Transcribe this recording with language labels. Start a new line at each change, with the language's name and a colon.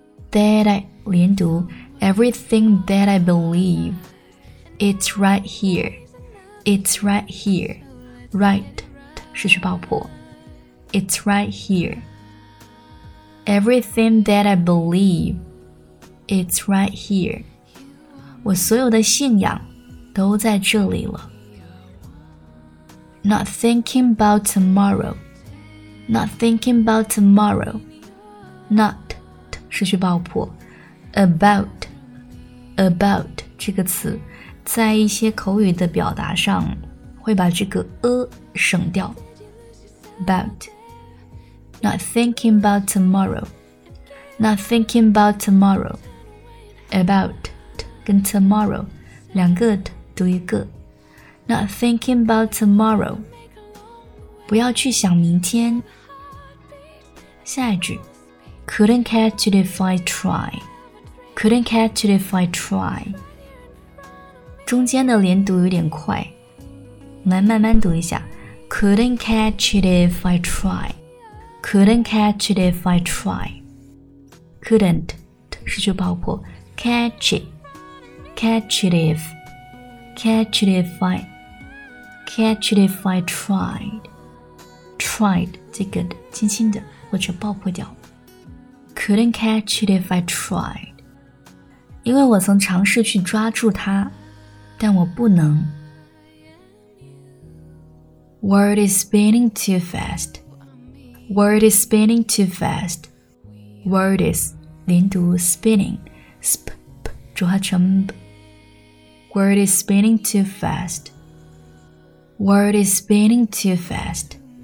English: That I, 连读, everything that I believe, it's right here. It's right here. Right,
Chinese: 是去爆破.
English: It's right here. Everything that I believe, it's right here.
Chinese: 我所有的信仰都在这里了。
English: Not thinking about tomorrow. Not thinking about tomorrow.
Chinese: Not 是去爆破 About About 这个词在一些口语的表达上会把这个省掉 About
English: Not thinking about tomorrow. Not thinking about tomorrow. About 跟 tomorrow
Chinese: 两个读一个
English: Not thinking about tomorrow.
Chinese: 不要去想明天。下一句。
English: Couldn't catch it if I try. Couldn't catch it if I try.
Chinese: 中间的连读有点快。来慢慢读一下。
English: Couldn't catch it if I try. Couldn't catch it if I try. Couldn't,
Chinese: 是就爆破。
English: Catch it. Catch it if. Catch it if I. Catch it if I tried.
Chinese: Tried, 这个的轻轻的或者爆破掉。
English: Couldn't catch it if I tried.
Chinese: 因为我曾尝试去抓住它但我不能。
English: World is spinning too fast. World is spinning too fast. World is, 连读 spinning, sp, 浊化成 b. World is spinning too fast. World is spinning too fast.